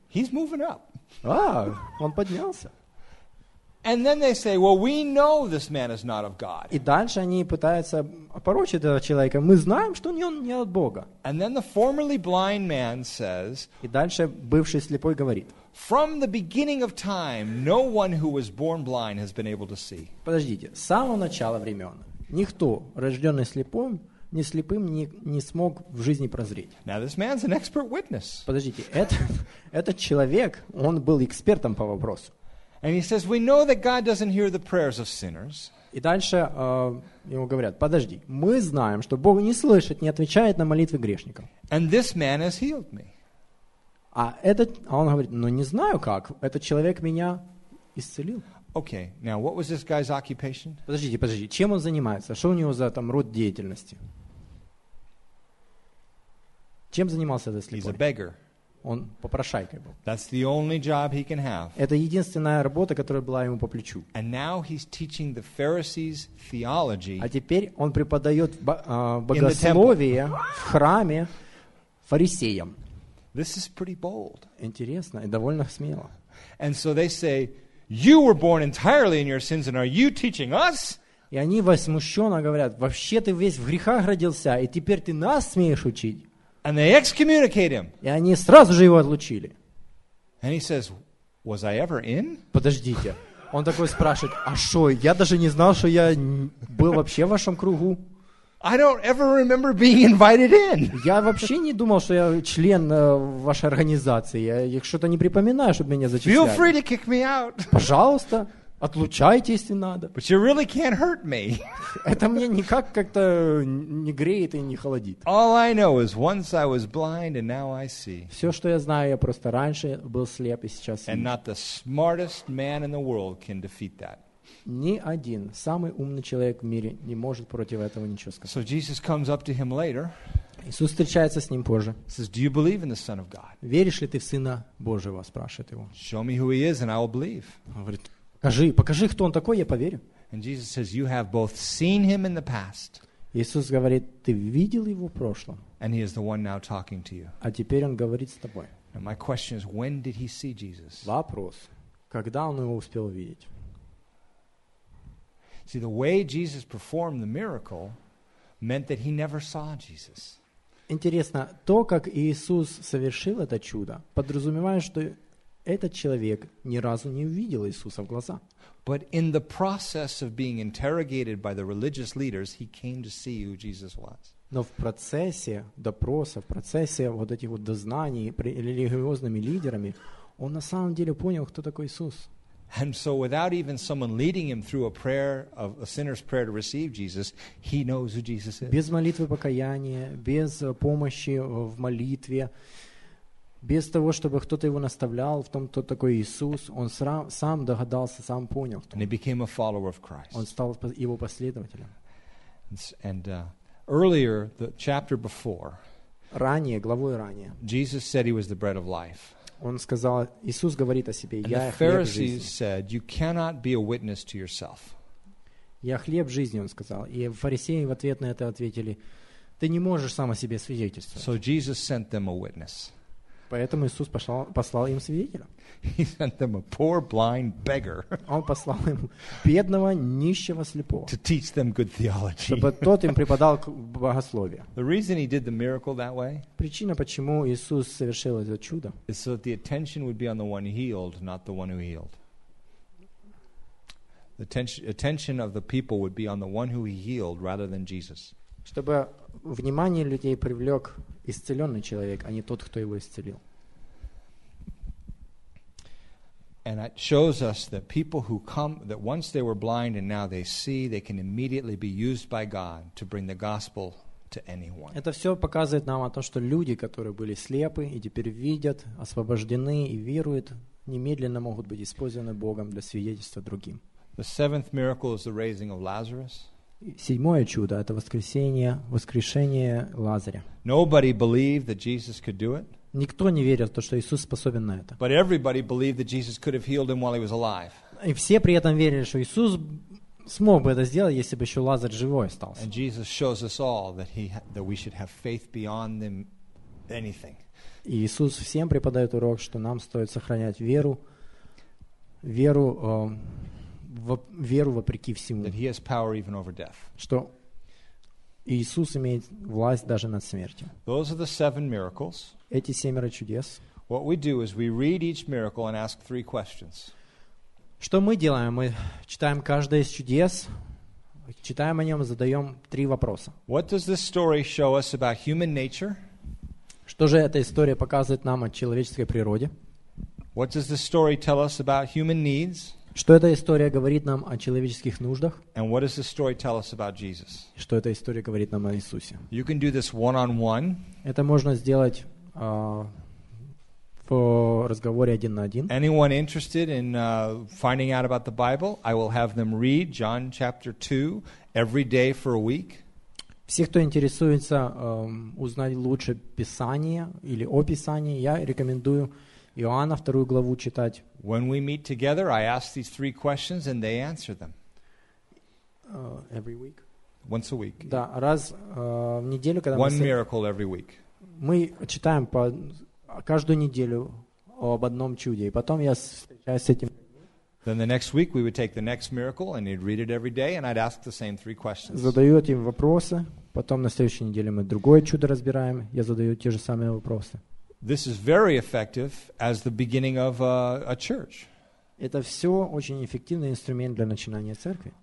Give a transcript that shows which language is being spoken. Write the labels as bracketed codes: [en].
[en] He's moving up. [ru] А, он поднялся. [en] And then they say, "Well, we know this man is not of God." [ru] И дальше они пытаются опорочить этого человека. Мы знаем, что он не от Бога. [en] And then the formerly blind man says. [ru] И дальше бывший слепой говорит. [en] From the beginning of time, no one who was born blind has been able to see. [ru] Подождите, с самого начала времен никто, рожденный слепым, ни слепым не смог в жизни прозреть. [en] Now this man's an expert witness. [ru] Подождите, этот человек, он был экспертом по вопросу. [en] And he says, "We know that God doesn't hear the prayers of sinners." [ru] И дальше ему говорят: "Подожди, мы знаем, что Бог не слышит, не отвечает на молитвы грешников." [en] And this man has healed me. [ru] А он говорит: "Но не знаю как. Этот человек меня исцелил." [en] Okay. Now, what was this guy's occupation? [ru] Подождите. Чем он занимается? Что у него за там род деятельности? Чем занимался этот слепой? [en] He's a beggar. [ru] Он попрошайкой был. [en] That's the only job he can have. [ru] Это единственная работа, которая была ему по плечу. [en] And now he's teaching the Pharisees theology. [ru] А теперь он преподает богословие в храме фарисеям. [en] This is pretty bold. [ru] Интересно и довольно смело. [en] And so they say, "You were born entirely in your sins, and are you teaching us?" [ru] И они возмущенно говорят: "Вообще ты весь в грехах родился, и теперь ты нас смеешь учить?" [en] And they excommunicate him. [ru] И они сразу же его отлучили. [en] And he says, "Was I ever in?" [ru] Подождите. Он такой спрашивает: "А что? Я даже не знал, что я был вообще в вашем кругу." [en] I don't ever remember being invited in. [ru] Я вообще не думал, что я член вашей организации. Я что-то не припоминаю, чтобы меня зачисляли. [en] Feel free to kick me out. [ru] Пожалуйста. Отлучайте, если надо. [en] But you really can't hurt me. [ru] Это мне никак как-то не греет и не холодит. [en] All I know is once I was blind and now I see. [ru] Все, что я знаю, я просто раньше был слеп и сейчас вижу. [en] And not the smartest man in the world can defeat that. [ru] Ни один самый умный человек в мире не может против этого ничего сказать. [en] So Jesus comes up to him later. [ru] Иисус встречается с ним позже. [en] Says, "Do you believe in the Son of God?" [ru] Веришь ли ты в Сына Божьего? Спрашивает его. [en] Show me who he is and I will believe. [ru] Он говорит: Покажи, кто он такой, я поверю. [en] And Jesus says, "You have both seen him in the past." [ru] Иисус говорит: "Ты видел его в прошлом." [en] And he is the one now talking to you. [ru] А теперь он говорит с тобой. [en] Now my question is, when did he see Jesus? [ru] Вопрос: когда он его успел видеть? [en] See, the way Jesus performed the miracle meant that he never saw Jesus. [ru] Интересно, то, как Иисус совершил это чудо, подразумевает, что этот человек ни разу не увидел Иисуса в глаза. [en] But in the process of being interrogated by the religious leaders, he came to see who Jesus was. [ru] Но в процессе допроса, в процессе вот этих вот дознаний религиозными лидерами, он на самом деле понял, кто такой Иисус. [en] And so without even someone leading him through a prayer of a sinner's prayer to receive Jesus, he knows who Jesus is. [ru] Без молитвы покаяния, без помощи в молитве, без того, чтобы кто-то его наставлял в том, кто такой Иисус, он сам догадался, сам понял, кто. [en] And he became a follower of Christ. [ru] Он стал его последователем. [en] And earlier, the chapter before, [ru] ранее, главой ранее, [en] Jesus said he was the bread of life. [ru] Он сказал, Иисус говорит о себе, я хлеб жизни. [en] And the Pharisees said, "You cannot be a witness to yourself." [ru] Я хлеб жизни, он сказал. И фарисеи в ответ на это ответили: Ты не можешь сам о себе свидетельствовать. [en] So Jesus sent them a witness. [ru] Поэтому Иисус послал им свидетеля. [en] He sent them a poor blind beggar. [ru] Он послал им бедного, нищего, слепого. [en] To teach them good theology. [ru] Чтобы тот им преподал богословие. [en] The reason he did the miracle that way. [ru] Причина, почему Иисус совершил это чудо. [en] Is so that the attention would be on the one healed, not the one who healed. The attention of the people would be on the one who he healed, rather than Jesus. [ru] Чтобы внимание людей привлек исцеленный человек, а не тот, кто его исцелил. [en] And it shows us that people who come, that once they were blind and now they see, they can immediately be used by God to bring the gospel to anyone. [ru] Это все показывает нам о том, что люди, которые были слепы и теперь видят, освобождены и веруют, немедленно могут быть использованы Богом для свидетельства другим. [en] The seventh miracle is the raising of Lazarus. [ru] Седьмое чудо — это воскрешение Лазаря. [en] Nobody believed that Jesus could do it. [ru] Никто не верил в то, что Иисус способен на это. [en] But everybody believed that Jesus could have healed him while he was alive. [ru] И все при этом верили, что Иисус смог бы это сделать, если бы еще Лазарь живой остался. [en] And Jesus shows us all that we should have faith beyond them anything. [ru] И Иисус всем преподает урок, что нам стоит сохранять веру вопреки всему, [en] that he has power even over death. [ru] Что Иисус имеет власть даже над смертью. [en] Those are the seven miracles. [ru] Эти семеро чудес. [en] What we do is we read each miracle and ask three questions. [ru] Что мы делаем? Мы читаем каждое из чудес, читаем о нем, задаем три вопроса. [en] What does this story show us about human nature? [ru] Что же эта история показывает нам о человеческой природе? [en] What does this story tell us about human needs? [ru] Что эта история говорит нам о человеческих нуждах? [en] And what does this story tell us about Jesus? [ru] Что эта история говорит нам о Иисусе? [en] You can do this one-on-one. [ru] Это можно сделать в разговоре один на один. [en] Anyone interested in finding out about the Bible, I will have them read John chapter 2 every day for a week. [ru] Все, кто интересуется узнать лучше Писание или о Писании, я рекомендую Иоанна вторую главу читать. [en] When we meet together, I ask these three questions and they answer them. Every week? Once a week. [ru] Да, раз в неделю, когда [en] One miracle every week. [ru] Мы читаем по каждую неделю об одном чуде, и потом я встречаюсь с этим. [en] Then the next week we would take the next miracle and he'd read it every day and I'd ask the same three questions. [ru] Задаю им вопросы, потом на следующей неделе мы другое чудо разбираем, я задаю те же самые вопросы. [en] This is very effective as the beginning of a church. [ru] Это все очень эффективный инструмент для начинания церкви.